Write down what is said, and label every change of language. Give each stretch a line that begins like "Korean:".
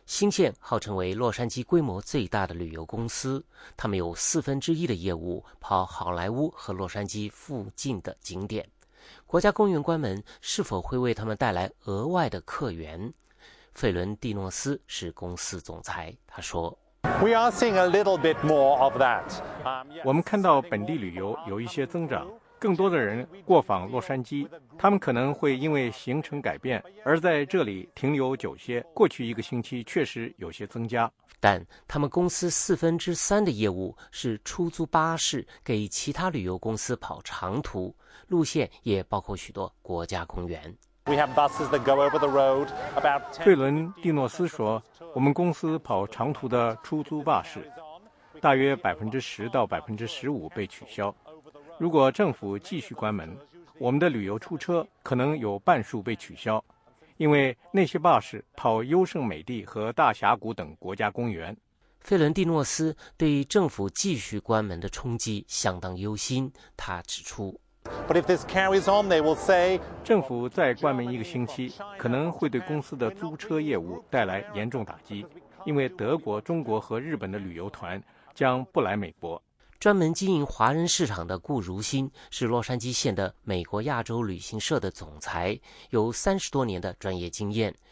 Chinese: 新建号称为洛杉矶规模最大的旅游公司，他们有四分之一的业务跑好莱坞和洛杉矶附近的景点。国家公园关门是否会为他们带来额外的客源？费伦蒂诺斯是公司总裁，他说，
English: We are seeing a little bit more of that.
Chinese: 我们看到本地旅游有一些增长，更多的人过访洛杉矶，他们可能会因为行程改变而在这里停留久些，过去一个星期确实有些增加。但他们公司四分之三的业务是出租巴士给其他旅游公司跑长途，路线也包括许多国家公园。
English: We have buses that go over the road about 10.
Chinese: 费伦蒂诺斯说，我们公司跑长途的出租巴士大约 10% 到 15% 被取消。如果政府继续关门，我们的旅游出车可能有半数被取消，因为那些巴士跑优胜美地和大峡谷等国家公园。费伦蒂诺斯对政府继续关门的冲击相当忧心，他指出，
English: But if this carries on, they will say,
Chinese: 政府再关门一个星期，可能会对公司的租车业务带来严重打击，因为德国、中国和日本的旅游团将不来美国。专门经营华人市场的顾如新是洛杉矶县的美国亚洲旅行社的总裁，有30多年的专业经验。